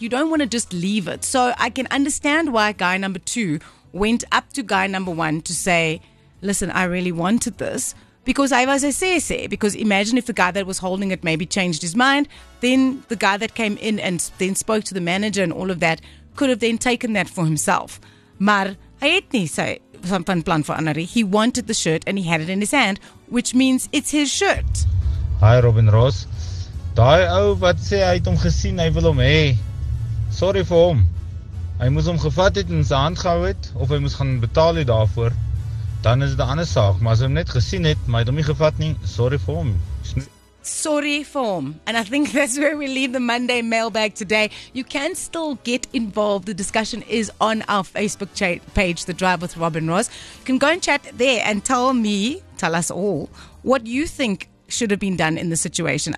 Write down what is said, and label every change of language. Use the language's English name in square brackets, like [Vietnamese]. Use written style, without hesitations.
[English] You don't want to just leave it. So I can understand why guy number two went up to guy number one to say, listen, I really wanted this. Because I was a say. Because imagine if the guy that was holding it maybe changed his mind, then the guy that came in and then spoke to the manager and all of that could have then taken that for himself. [Afrikaans] Maar hy het nie sy van plan verander. [English] He wanted the shirt and he had it in his hand, which means it's his shirt. [Afrikaans] Hi Robin Ross. Daai ou wat sê hy het hom gesien, hy wil hom hê. Sorry vir hom. Hy moes hom gevat het en in sy hand gehou het of hy moes gaan betaal het daarvoor. Dan is dit 'n ander saak, maar as hy net gesien het, maar hy het hom nie gevat nie, sorry vir hom. [English] Sorry for him. And I think that's where we leave the Monday mailbag today. You can still get involved. The discussion is on our Facebook page, The Drive with Robin Ross. You can go and chat there and tell me, tell us all, what you think should have been done in the situation.